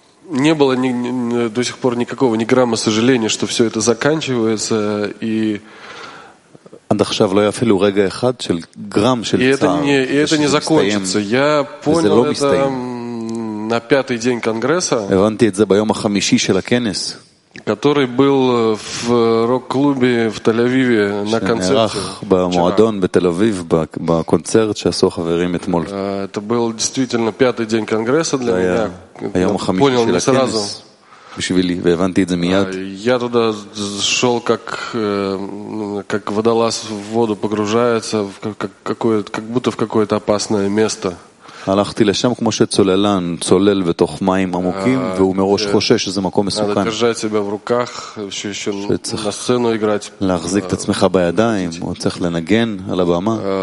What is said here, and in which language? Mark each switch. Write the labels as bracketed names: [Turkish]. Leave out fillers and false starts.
[Russian] Не было до сих пор никакого ни грамма сожаления, что всё это заканчивается, и [Hebrew] עכשיו לא אפילו רגע אחד של גרם של צער. [Russian] И это не закончится. Я понял это на пятый день конгресса. [Hebrew] הבנתי את זה ביום החמישי של הכנס. [Russian] Который был в рок-клубе в Тель-Авиве на концерте. [Hebrew] במועדון בתל-אביב בקונצרט שעשו חברים אתמול. [Russian] Это был действительно пятый день конгресса для меня. [Hebrew] היום החמישי של הכנס. [Russian] Понял сразу. [Hebrew] בשבילי, והבנתי את זה מיד. [Russian] Я туда шёл как водолаз в воду погружается, как будто в какое-то опасное место. [Hebrew] הלכתי לשם כמו שצוללן צולל בתוך מים עמוקים, והוא מראש חושש שזה מקום מסוכן. [Russian] Надо держать себя в руках, ещё на сцену играть. [Hebrew] להחזיק את עצמך בידיים, או צריך לנגן על הבמה.